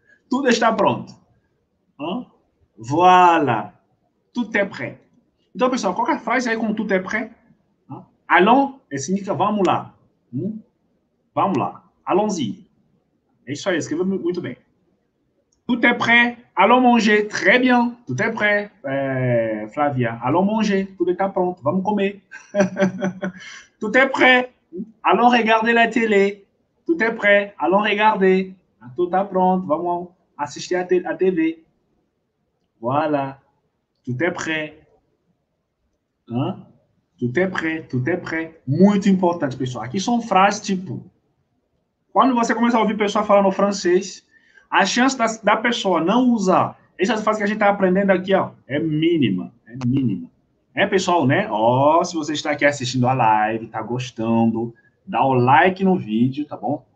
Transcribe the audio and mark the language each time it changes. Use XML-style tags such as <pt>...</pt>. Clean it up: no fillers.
<pt>Tudo está pronto. Hein? Voilà.</pt> <fr>Tu t'es prêt.</fr> <pt>Então, pessoal, qual é a frase aí com</pt> <fr>tu t'es prêt?</fr> <pt>Hein? Allons, significa vamos lá. Vamos lá. Allons-y. É isso aí, escreveu muito bem.</pt> <fr>Tout est prêt, allons manger. Très bien, tout est prêt, Flavia. Allons manger, tout est prêt,</fr> <pt>vamos comer.</pt> <fr>Tout est prêt, allons regarder la télé. Tout est prêt, allons regarder. Tout est prêt,</fr> <pt>vamos assistir à TV.</pt> <fr>Voilà, tout est prêt. Hein? Tout est prêt, tout est prêt.</fr> <pt>Muito importante, pessoal. Aqui são frases tipo, quando você começa a ouvir pessoa falando francês, a chance da pessoa não usar essas frases que a gente está aprendendo aqui, ó, é mínima, é mínima. É, pessoal, né? Ó, se você está aqui assistindo a live, está gostando, dá o like no vídeo, tá bom?</pt>